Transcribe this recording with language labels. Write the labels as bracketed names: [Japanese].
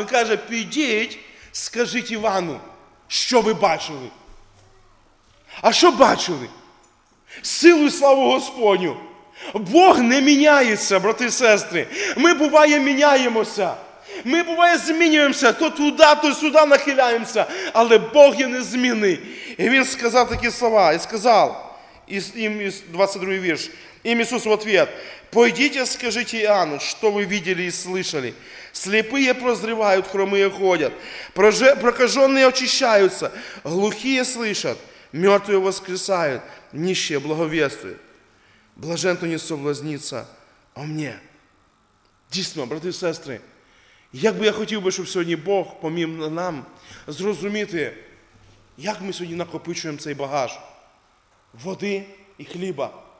[Ukrainian] Він каже, підіть, скажіть Івану, що ви бачили. А що бачили? Силу і славу Господню. Бог не міняється, брати і сестри. Ми, буває, міняємося. Ми, буває, змінюємося. То туди, то сюди нахиляємося. Але Бог є незмінний. І Він сказав такі слова. І сказав, їм 22 вірш, [Russian] им Иисус в ответ, «Пойдите, скажите Иоанну, что вы видели и слышали. Слепые прозревают, хромые ходят, прокаженные очищаются, глухие слышат, мертвые воскресают, нищие благовествуют. Блажен, кто не соблазнится о мне». [Ukrainian] Дійсно, брати і сестри, як би я хотів би, щоб сьогодні Бог поміг нам зрозуміти, як ми сьогодні накопичуємо цей багаж води і хліба.